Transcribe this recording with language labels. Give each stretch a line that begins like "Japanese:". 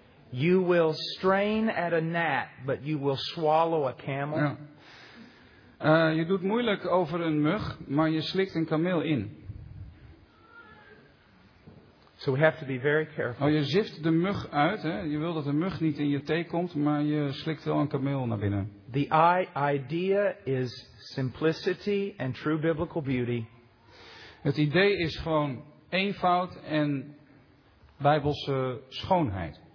English: You will strain at a gnat, but you will swallow a camel.
Dutch: Ja. Je doet moeilijk over een mug, maar je slikt een kameel in.
English: So we have to be very careful.
Dutch: Oh, je zift de mug uit, hè? Je wil dat de mug niet in je thee komt, maar je slikt wel een kameel naar binnen.
English: The idea is simplicity and true biblical beauty.
Dutch: Het idee is gewoon eenvoud en bijbelse schoonheid.